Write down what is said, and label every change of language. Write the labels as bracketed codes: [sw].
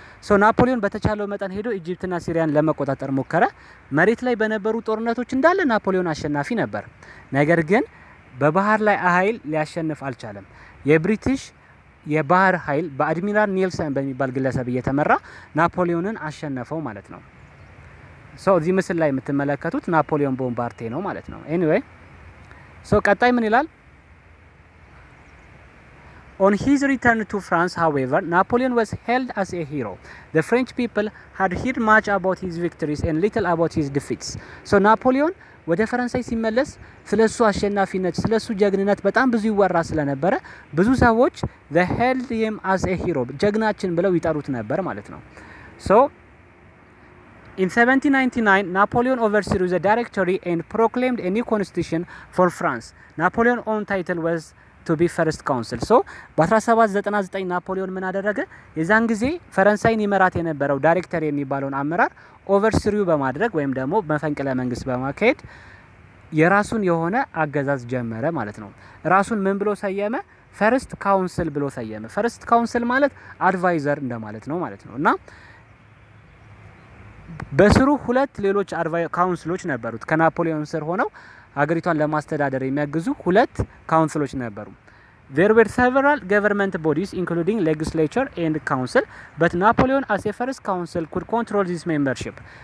[am] So Napoleon በተቻለው መጠን ሄዶ ኢጅፕትና ሲሪያን ለመቆጣጠር ሞከረ። መሬት ላይ በነበሩ ጦርነቶች እንዳለ ናፖሊዮን አሸናፊ ነበር። ነገር ግን በባህር ላይ ኃይል ሊያሸንፍ አልቻለም። የብሪቲሽ የባህር ኃይል በአድሚራል ኔልሰን በሚባል ግለሰብ እየተመራ ናፖሊዮንን አሸነፈው ማለት ነው። So እዚህ ምስል ላይ የምትመለከቱት ናፖሊዮን ቦምባርቴ ነው ማለት ነው። Anyway. So ቀጣይ ምን ይላል? [en] On his return to France, however, Napoleon was hailed as a hero. The French people had heard much about his victories and little about his defeats. [am] So Napoleon, ወደ ፈረንሳይ ሲመለስ ስለሱ አሸናፊነት ስለሱ ጀግንነት በጣም ብዙ ይወራ ስለነበረ ብዙ ሰዎች [en] the hailed him as a hero, [am] ጀግናችን ብለው ይጠሩት ነበር ማለት ነው። [en] So in 1799, Napoleon overthrew the directory and proclaimed a new constitution for France. Napoleon's own title was to be first consul. [am] So በ1799 ናፖሊዮን ምን አደረገ? የዛን ጊዜ ፈረንሳይን ይመራት የነበረው ዳይሬክተር የሚባለውን አመራር ኦቨርስሪው በማድረግ ወይም ደግሞ መፈንቅለ መንግስት በማካሄድ የራሱን የሆነ አገዛዝ ጀመረ ማለት ነው። ራሱን ምን ብሎ ሰየመ? ፈርስት ካውንስል ብሎ ሰየመ። ፈርስት ካውንስል ማለት አድቫይዘር እንደማለት ነው ማለት ነው። እና በስሩ ሁለት ሌሎች አድቫይዘር ካውንስሎች ነበሩት ከናፖሊዮን ስር ሆነው አገሪቷን ለማስተዳደር የሚያግዙ ሁለት ካውንስሎች ነበሩ። [en] There were several government bodies including legislature and council, but Napoleon as a first consul could control this membership.